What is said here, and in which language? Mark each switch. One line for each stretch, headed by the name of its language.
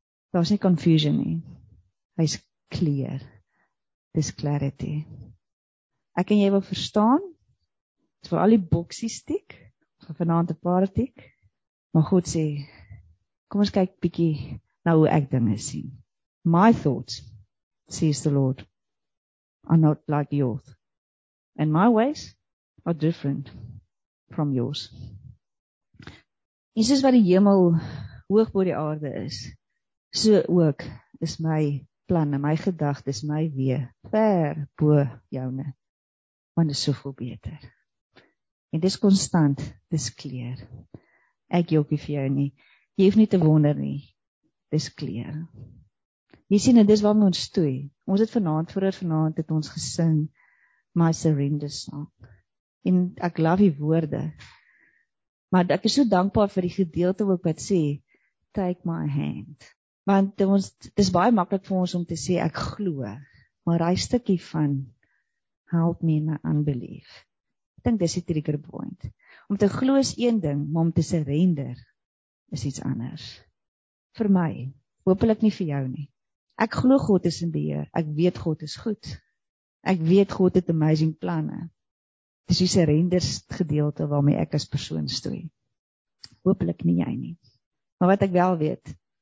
Afrikaans: Daar's nie confusion nie. Hy is clear. Dis clarity. Ek en jy wil verstaan, dis vir al die boksie stiek, vanaand 'n paar stiek, maar God sê, kom ons kyk bietjie na hoe ek dinge sien.
English: My thoughts, says the Lord, are not like yours. And my ways are different from yours.
Afrikaans: En soos wat die hemel hoog bo die aarde is, so ook is my planne, my gedagtes, my weë ver bo joune. Want is soveel beter. En dis konstant, dis clear. Ek jokkie vir jou nie. Jy hoef nie te wonder nie, dis klaar. Jy sien, dit is waar ons stoei. Ons het vanaand, vroeër vanaand het ons gesing My Surrender Song. En ek love die woorde. Maar ek is so dankbaar vir die gedeelte ook wat sê,
English: take my hand.
Afrikaans: Want dit is baie maklik vir ons om te sê, ek glo. Maar hy stukkie van,
English: help me in my unbelief.
Afrikaans: Ek dink dis die trigger point. Om te glo is een ding, maar om te surrender, is iets anders. Vir my, hopelik nie vir jou nie. Ek glo God is in beheer. Ek weet God is goed. Ek weet God het amazing planne. Dis die surrender gedeelte waarmee ek as persoon stoei. Hopelik nie jy nie. Maar wat ek wel weet,